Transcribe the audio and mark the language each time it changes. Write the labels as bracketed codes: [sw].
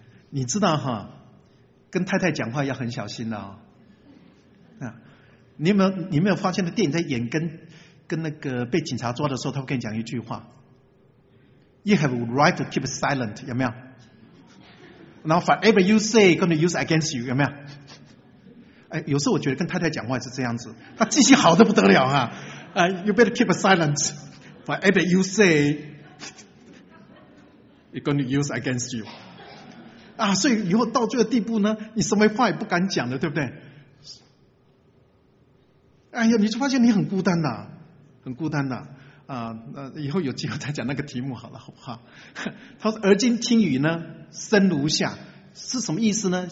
[zh] 你知道哈，跟太太讲话要很小心的哦。你有没有发现，电影在演跟那个被警察抓的时候，他会跟你讲一句话 ： [en] You have right to keep silent， [zh] 有没有？然后 [en] whatever you say going to use against you， [zh] 有没有？哎，有时候我觉得跟太太讲话是这样子，她记性好得不得了啊！ [en] you better keep silent， whatever you say you going to use against you。 [zh] 啊，所以以后到这个地步呢，你什么话也不敢讲了，对不对？哎呀，你就发现你很孤单的，很孤单的。以后有机会再讲那个题目好了，好不好？他说：“而今听雨呢，身如下，是什么意思呢？